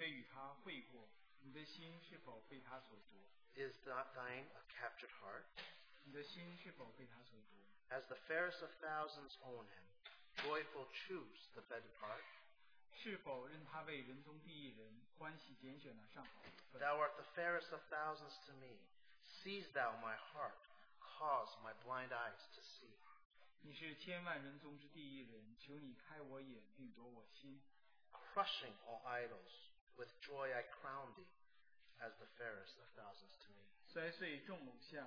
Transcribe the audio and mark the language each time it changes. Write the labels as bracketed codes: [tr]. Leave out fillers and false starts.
[zh] 第一节，你的灵既非与他会过，你的心是否被他所读？ [en] Is not thine a captured heart? [zh] 你的心是否被他所读？ [en] As the fairest of thousands own him, joyful choose the better part? [zh] 是否任他为人中第一人，欢喜拣选了上好？ [en] Thou art the fairest of thousands to me. Seize thou my heart, cause my blind eyes to see. [zh] 你是千万人中之第一人，求你开我眼，并夺我心。 [en] Crushing all idols, with joy I crown thee, as the fairest of thousands to me.